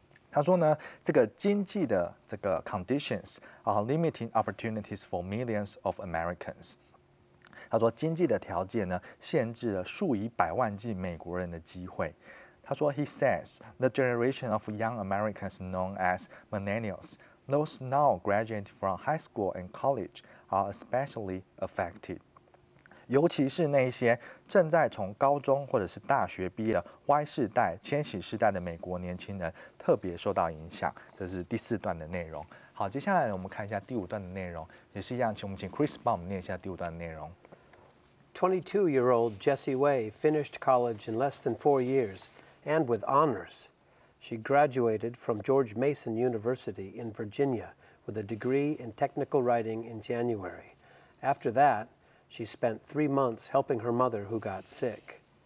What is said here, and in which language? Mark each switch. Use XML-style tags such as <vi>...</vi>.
<zh>他说呢，这个经济的这个</zh> <en>conditions are limiting opportunities for millions of Americans。</en> <zh>他说经济的条件呢，限制了数以百万计美国人的机会。他说</zh> <en>，He says the generation of young Americans known as millennials。 Those now graduating from high school and college are especially affected.</en> <zh>尤其是那些正在从高中或者是大学毕业的 Y 世代、千禧世代的美国年轻人，特别受到影响。这是第四段的内容。好，接下来我们看一下第五段的内容，也是一样，我们请 Chris 帮我们念一下第五段的内容。</zh> <en>22-year-old Jessie Wei finished college in less than 4 years and with honors. She graduated from George Mason University in Virginia with a degree in technical writing in January. After that, she spent 3 months helping her mother who got sick.</en>